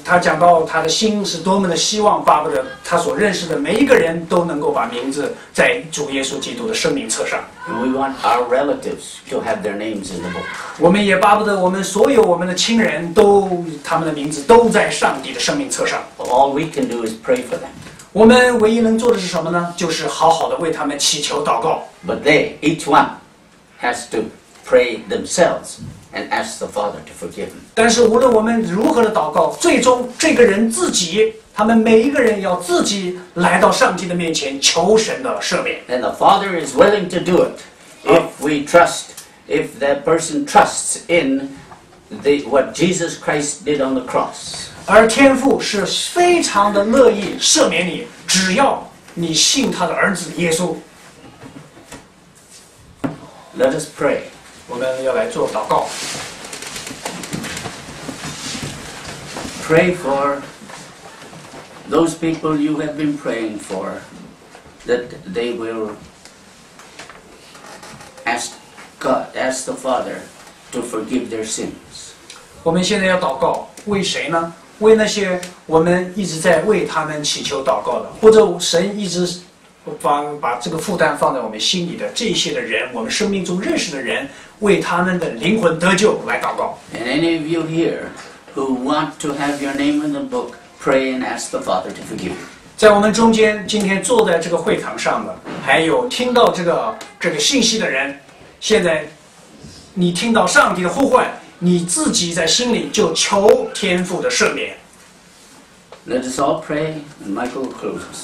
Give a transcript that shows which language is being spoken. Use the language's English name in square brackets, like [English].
[Chinese] 他讲到他的心是多么的希望，巴不得他所认识的每一个人都能够把名字在主耶稣基督的生命册上。 [English] And we want our relatives to have their names in the book. [Chinese] 我们也巴不得我们所有我们的亲人都他们的名字都在上帝的生命册上。 [English] All we can do is pray for them. [Chinese] 我们唯一能做的是什么呢？就是好好的为他们祈求祷告。 [English] But they, each one, has to pray themselves. And ask the Father to forgive him. [Chinese] 但是无论我们如何的祷告，最终这个人自己，他们每一个人要自己来到上帝的面前求神的赦免。 [English] And the Father is willing to do it if we trust, if that person trusts in the what Jesus Christ did on the cross. [Chinese] 而天父是非常的乐意赦免你，只要你信他的儿子耶稣。 [English] Let us pray. [Chinese] 我们要来做祷告。 [English] Pray for those people you have been praying for. that they will ask God, ask the Father to forgive their sins. [Chinese] 我们现在要祷告，为谁呢？为那些我们一直在为他们祈求祷告的，或者神一直把这个负担放在我们心里的这些的人，我们生命中认识的人，为他们的灵魂得救来祷告。 [English] And any of you here who want to have your name in the book, pray and ask the Father to forgive you. [Chinese] 在我们中间今天坐在这个会堂上的，还有听到这个信息的人，现在你听到上帝的呼唤，你自己在心里就求天父的赦免。 [English] Let us all pray, and Michael closes.